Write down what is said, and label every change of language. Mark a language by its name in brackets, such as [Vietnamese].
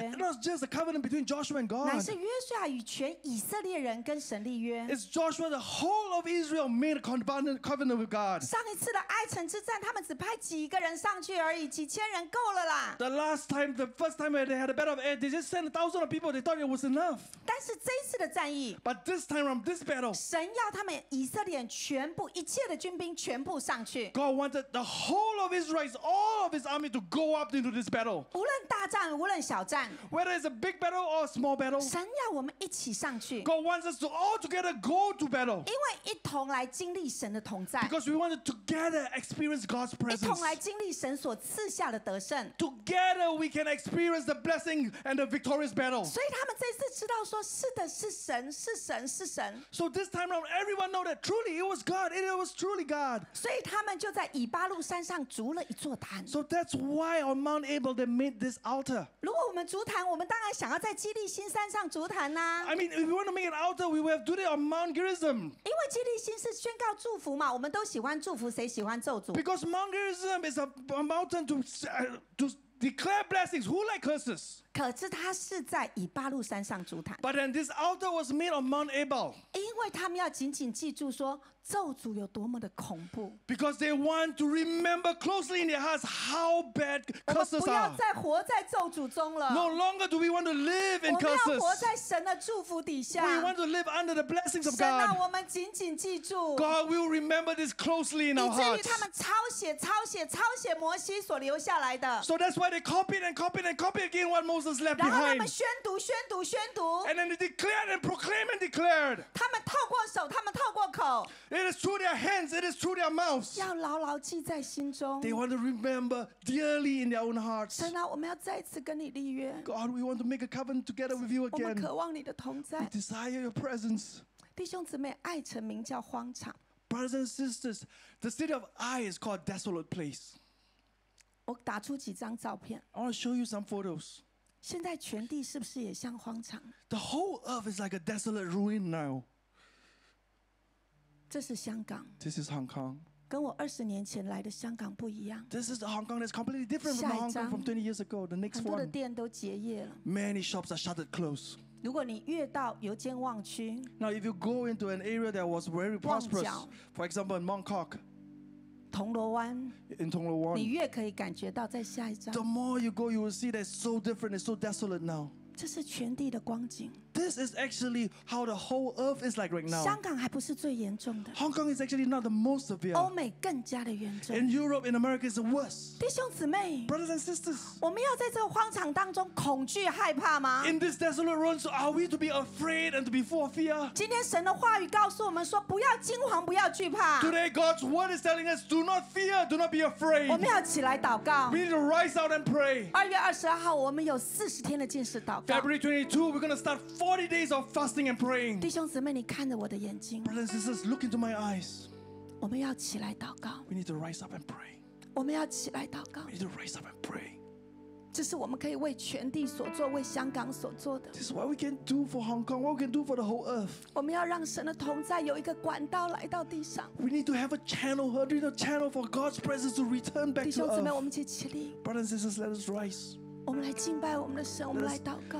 [English] It was just a covenant between Joshua and God. [Chinese] 乃是约书亚与全以色列人跟神立约 [English] It's Joshua, the whole of Israel made a covenant with God. [Chinese] 上一次的埃城之战他们只派几个人上去而已几千人够了啦 [English] The last time, the first time they had a battle of Ai, they just sent 1,000 of people, they thought it was enough. [Chinese] 但是这次的战役 [English] But this time around, this battle, [Chinese] 神要他们以色列全部一切的军兵全部上去 [English] God wanted the whole of Israel, all of his army to go up into this battle. [Chinese] 无论大战无论小战 [English] Whether it's a big battle or a small battle, [Chinese] 神要我们一起上去 [English] God wants us to all together go to battle. [Chinese] 因为一同来经历神的同在 [English] Because we want to together experience God's presence. [Chinese] 一同来经历神所赐下的得胜 [English] Together we can experience the blessing and the victorious battle. [Chinese] 所以他们这次知道说是的是神是神是神 [English] So this time around, everyone know that truly it was God, it was truly God. [Chinese] 所以他们就在以巴路山上筑了一座坛。 [English] So that's why on Mount Abel they made this altar. [Chinese] 如果我们筑坛，我们当然想要在基利心山上筑坛呐。 [English] I mean, if we want to make an altar, we will have to do it on Mount Gerizim. [Chinese] 因为基利心是宣告祝福嘛，我们都喜欢祝福，谁喜欢咒诅 [English] ？Because Mount Gerizim is a mountain to declare blessings. Who like curses? [Chinese] 可是他是在以巴路山上筑坛。 [English] But then this altar was made on Mount Abel. [Chinese] 因为他们要紧紧记住说。咒诅有多么的恐怖 [English] ！Because they want to remember closely in their hearts how bad curses are. [Chinese] 我们不要再活在咒诅中了。 [English] No longer do we want to live in curses. [Chinese] 我们要活在神的祝福底下。 [English] We want to live under the blessings of God. [Chinese] 神啊，我们紧紧记住。 [English] God will remember this closely in our hearts. [Chinese] 以至于他们抄写摩西所留下来的。 [English] So that's why they copied again what Moses left behind. [Chinese] 然后他们宣读。 [English] And then they declared and proclaimed and declared. [Chinese] 他们透过口。 [English] It is through their hands. It is through their mouths. [Chinese] 要牢牢记在心中 [English] They want to remember dearly in their own hearts. [Chinese] 神啊，我们要再次跟你立约 [English] God, we want to make a covenant together with you again. [Chinese] 我们渴望你的同在 [English] We desire your presence. [Chinese] 弟兄姊妹，爱城名叫荒场 [English] Brothers and sisters, the city of Ai is called desolate place. [Chinese] 我打出几张照片 [English] I want to show you some photos. [Chinese] 现在全地是不是也像荒场 [English] The whole earth is like a desolate ruin now. [Chinese] 这是香港。 [English] This is Hong Kong. [Chinese] 跟我二十年前来的香港不一样。 [English] This is Hong Kong that's completely different from Hong Kong from 20 years ago. The next one. [Chinese] 很多的店都结业了。 [English] Many shops are shuttered close. [Chinese] 如果你越到油尖旺区。 [English] Now if you go into an area that was very prosperous, for example in Mong Kok. [Chinese] 铜锣湾。 [English] In 铜锣湾。 [Chinese] 你越可以感觉到在下一站。 [English] The more you go, you will see that it's so different. It's so desolate now. [Chinese] 这是全地的光景。 [English] This is actually how the whole earth is like right now. [Chinese] 香港还不是最严重的。 [English] Hong Kong is actually not the most severe. [Chinese] 欧美更加的严重。 [English] And Europe and America is the worst. [Chinese] 弟兄姊妹 [English] ，Brothers and sisters， [Chinese] 我们要在这个荒场当中恐惧害怕吗 [English] ？In this desolate room, so are we to be afraid and to be full of fear？ [Chinese] 今天神的话语告诉我们说，不要惊慌，不要惧怕。 [English] Today God's word is telling us, do not fear, do not be afraid. [Chinese] 我们要起来祷告。 [English] We need to rise out and pray. [Chinese] 二月二十二号，我们有四十天的禁食祷告。 [English] February 22, we're going to start 40 days of fasting and praying. [Chinese] 弟兄姊妹，你看着我的眼睛。 [English] Brothers and sisters, look into my eyes. [Chinese] 我们要起来祷告。 [English] We need to rise up and pray. [Chinese] 我们要起来祷告。 [English] We need to rise up and pray. [Chinese] 这是我们可以为全地所做，为香港所做的。 [English] This is what we can do for Hong Kong. What we can do for the whole earth. [Chinese] 我们要让神的同在有一个管道来到地上。 [English] We need to have a channel, a little channel for God's presence to return back to earth. [Chinese] 弟兄姊妹，我们一起起立。 [English] Brothers and sisters, let us rise. [Chinese] 我们来敬拜我们的神，我们来祷告。